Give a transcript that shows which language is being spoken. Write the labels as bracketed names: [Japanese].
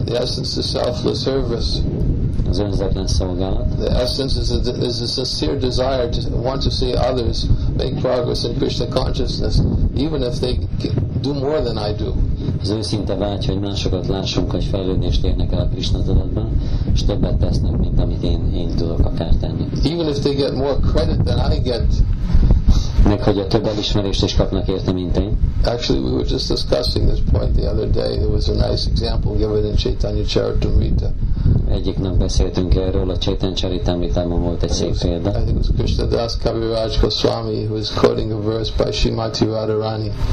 [English] The essence is selfless service. [Hungarian] Az önzetlen szolgálat. [English] The essence is a sincere desire to want to see others make progress in Krishna consciousness, even if they do more than I do. [Hungarian] Az őszinte vágy, hogy másokat lássunk, hogy fejlődést érnek el a Krishna tudatban, és többet tesznek, mint amit én tudok akár tenni. [English] Even if they get more credit than I get. [Hungarian] Meg hogy a több elismerést is kapnak érte, mint én. [English] Actually, we were just discussing this point the other day. There was a nice example given in Chaitanya Charitamrita. [Hungarian] Egyik nap beszéltünk erről, a Chaitanya Charitamritában volt egy szép példa. [English] I think it was Krishna Das Kaviraj Goswami who was quoting a verse by Srimati Radharani.